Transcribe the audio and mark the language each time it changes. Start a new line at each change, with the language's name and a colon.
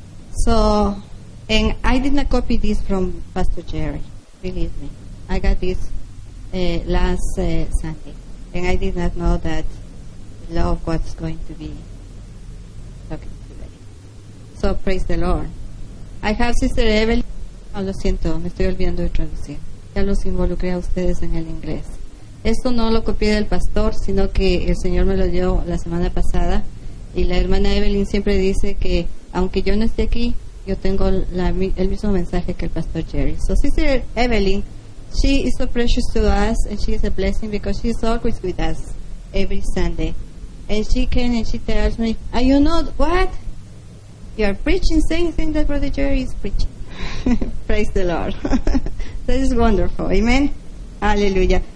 English: So, and I did not copy this from Pastor Jerry. Believe me. I got this last Sunday. And I did not know that love was going to be talking today. So, praise the Lord. I have Sister Evelyn.
Spanish: Oh, lo siento, me estoy olvidando de traducir. Ya los involucré a ustedes en el inglés. Esto no lo copié del pastor, sino que el Señor me lo dio la semana pasada. Y la hermana Evelyn siempre dice que, aunque yo no esté aquí, yo tengo el mismo mensaje que el pastor Jerry.
English: So, Sister Evelyn, she is so precious to us, and she is a blessing because she is always with us every Sunday. And she came and she tells me, are you not what? You are preaching the same thing that Brother Jerry is preaching. Praise the Lord. That is wonderful. Amen. Hallelujah.